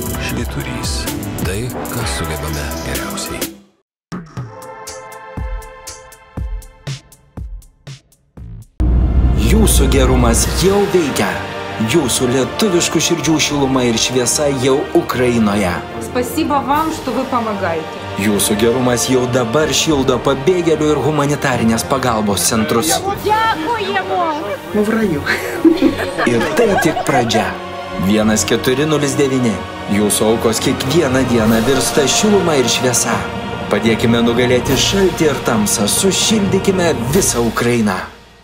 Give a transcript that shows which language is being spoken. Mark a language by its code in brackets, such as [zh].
[lt] Švyturys – tai, ką sugebame geriausiai. Jūsų gerumas jau veikia. Jūsų lietuviškų širdžių šiluma ir šviesa jau Ukrainoje. [ru] Спасибо вам, что вы помогаете. [lt] Jūsų gerumas jau dabar šildo pabėgėlių ir humanitarinės pagalbos centrus. [uk] Dėkujemo! В раю. [lt] Ir tai tik pradžia. 1409. Jūsų aukos kiekvieną dieną virsta šiluma ir šviesa. Padėkime nugalėti šaltį ir tamsą, sušildykime visą Ukrainą.